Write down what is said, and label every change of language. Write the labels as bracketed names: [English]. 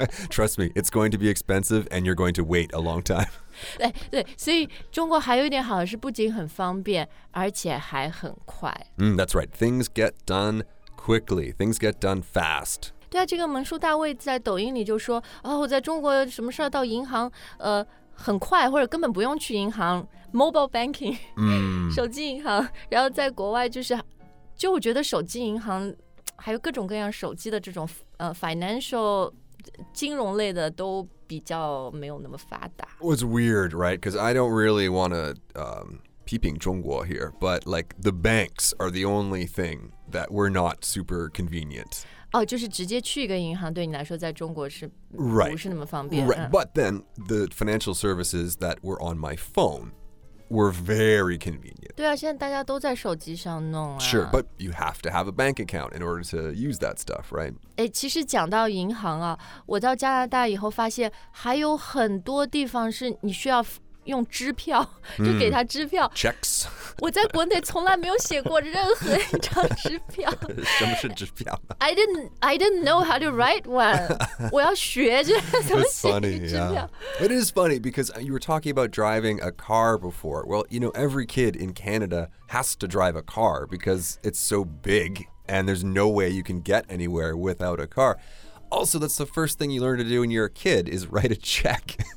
[English] Trust me, it's going to be expensive, and you're going to wait a long time. [Chinese] 对，所以中国还有一点好是不仅很方便，而且还很快。 [English] That's right. Things get done quickly. Things get done fast. [Chinese] 对啊，这个蒙叔大卫在抖音里就说，哦，我在中国什么事儿到银行，很快，或者根本不用去银行 ， [English] mobile banking，、 [Chinese] 手机银行。然后在国外就我觉得手机银行还有各种各样手机的这种financial金融类的都比较没有那么发达。 [English] It's weird, right? Because I don't really want to peeping 中国 here, but like the banks are the only thing that were not super convenient. [Chinese] 哦，就是直接去一个银行对你来说在中国是不是那么方便 [English] right. Right. But then the financial services that were on my phone were very convenient. [Chinese] 对啊，现在大家都在手机上弄啊。 [English] Sure, but you have to have a bank account in order to use that stuff, right? [Chinese] 诶，其实讲到银行啊，我到加拿大以后发现还有很多地方是你需要用支票，就给他支票。 [English] Checks. [Chinese] 我在国内从来没有写过任何一张支票。什么是支票呢？ [English] I didn't know how to write one. [Chinese] 我要学着怎么写一支票。 [English] It is funny because you were talking about driving a car before. Well, you know, every kid in Canada has to drive a car because it's so big and there's no way you can get anywhere without a car. Also, that's the first thing you learn to do when you're a kid is write a check.